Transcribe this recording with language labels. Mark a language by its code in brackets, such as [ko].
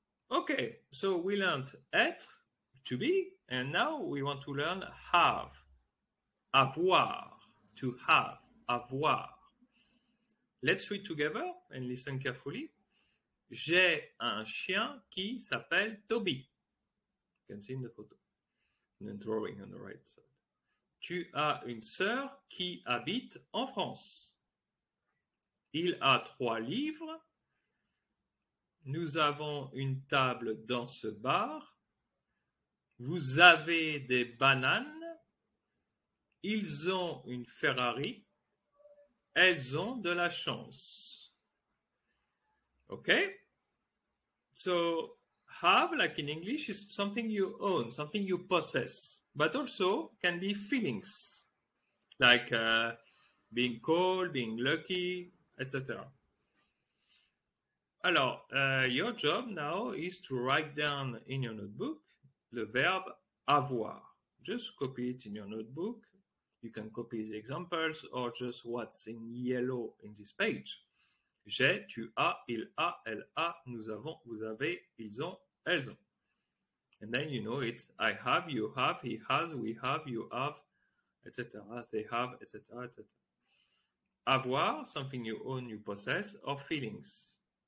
[en] Okay, so we learned être, to be, and now we want to learn have, avoir, to have, avoir. Let's read together and listen carefully. [fr] J'ai un chien qui s'appelle Toby. [en] You can see in the photo, in the drawing on the right side. [fr] Tu as une sœur qui habite en France. Il a trois livres. Nous avons une table dans ce bar. Vous avez des bananes. Ils ont une Ferrari. Elles ont de la chance. OK? [en] So, have, like in English, is something you own, something you possess, but also can be feelings, like being cold, being lucky, etc. Alors, your job now is to write down in your notebook [fr] le verbe avoir. [en] Just copy it in your notebook. You can copy the examples or just what's in yellow in this page. [fr] J'ai, tu as, il a, elle a, nous avons, vous avez, ils ont, elles ont. [en] And then you know it's I have, you have, he has, we have, you have, etc. They have, etc., etc. Avoir, something you own, you possess, or feelings.